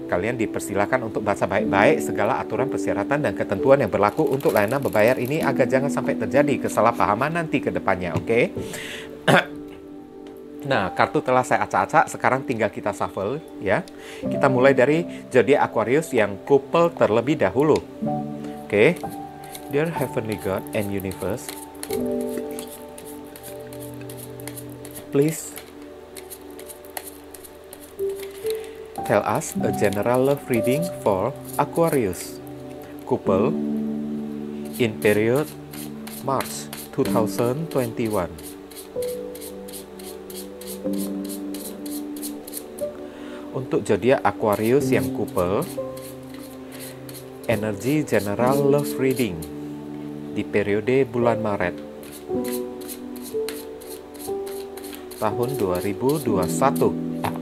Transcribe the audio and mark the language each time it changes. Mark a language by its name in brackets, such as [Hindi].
[Indonesian] Kalian dipersilakan untuk baca baik-baik segala aturan persyaratan dan ketentuan yang berlaku untuk layanan berbayar ini agar jangan sampai terjadi kesalahpahaman nanti ke depannya, oke? [English] Okay? [Indonesian] Nah, kartu telah saya acak-acak, sekarang tinggal kita shuffle, ya. Kita mulai dari zodiak Aquarius yang couple terlebih dahulu. Oke? [English] Okay? Dear Heavenly God and Universe, please tell us a general love reading for Aquarius couple in period March 2021. [Indonesian] Untuk zodiak Aquarius yang couple, energi general love reading di periode bulan Maret tahun 2021.